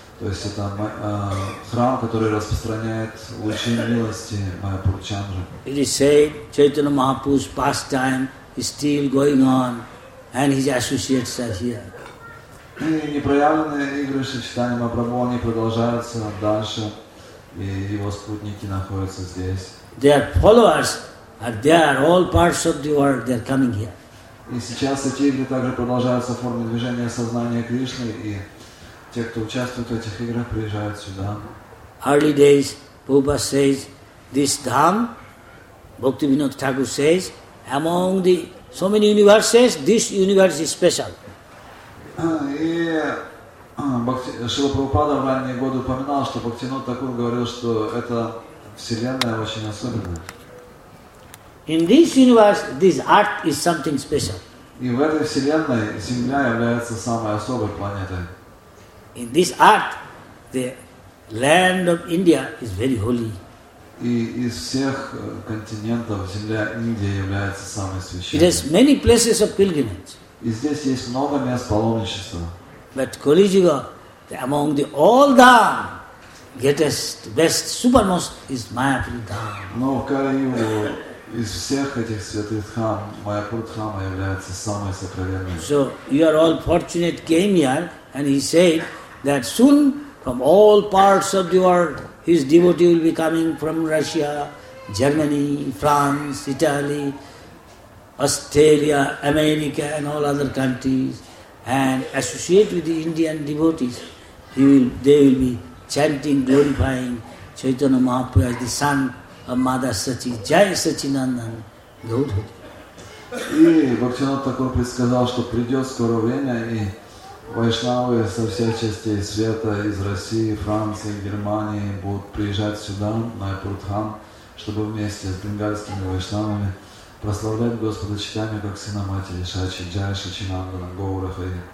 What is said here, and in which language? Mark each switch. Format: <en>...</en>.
<ru>То есть это храм, который распространяет лучи милости Майяпур Чандра.</ru> <en>It is said Chaitanya Mahaprabhu's pastime is still going on and his associates are here.</en> <ru>И непроявленные игры Шри Чайтаньи Махапрабху, они продолжаются дальше, и его спутники находятся здесь.</ru> <en>Their followers are there, all parts of the world, they are coming here.</en> <ru>И сейчас эти игры также продолжаются в форме движения сознания Кришны, и те, кто участвует в этих играх, приезжают сюда.</ru> <en>Early days, Prabhupada says, this dham, Bhaktivinoda Thakur says, among the so many universes, this universe is special.</en> <ru>И Шрила Прабхупада в ранние годы упоминал, что Бхактивинода Тхакур говорил, что эта вселенная очень особенная.</ru> <en>In this universe, this earth is something special.</en> <ru>И в этой вселенной Земля является самой особой планетой.</ru> <en>In this earth, the land of India is very holy.</en> <ru>И из всех континентов Земля Индии является самой священной.</ru> <en>It has many places of pilgrimage.</en> <ru>И здесь есть много мест паломничества.</ru> <en>But Kali Yuga, among the all the greatest, best, supermost is Mayapur Dham.</en> <ru>Но Kali Yuga из всех этих святых храм, Майяпур Дхама является самой сокровенной.</ru> <en>So you are all fortunate came here, and he said that soon from all parts of the world his devotee will be coming from Russia, Germany, France, Italy, Australia, America and all other countries, and associate with the Indian devotees, they will be chanting, glorifying Chaitanya Mahaprabhu as the son of Mother Sachi, Jai Sachinandan, Gaudhari.</en> <ru>И Бхактинат Такур предсказал, что придет скоро время, и вайшнавы со всех частей света, из России, Франции, Германии, будут приезжать сюда, на Айпуртхан, чтобы вместе с бенгальскими вайшнавами прославлять Господа Читами как сына матери Шачи Джай Шачинандана Гоурахаи.</ru>